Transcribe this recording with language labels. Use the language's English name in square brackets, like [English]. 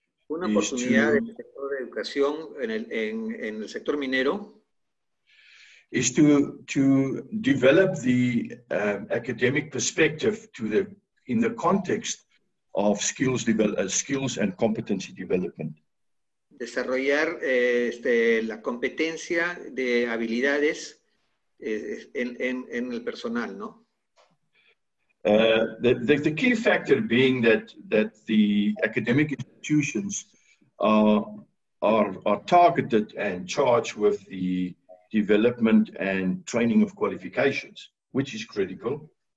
[Spanish] una is oportunidad to, en el sector de educación en el sector minero [English] is to develop the academic perspective in the context of skills and competency development. [Spanish] Desarrollar la competencia de habilidades en el personal, ¿no? [English] The key factor being that the academic institutions are targeted and charged with the development and training of qualifications, which is critical.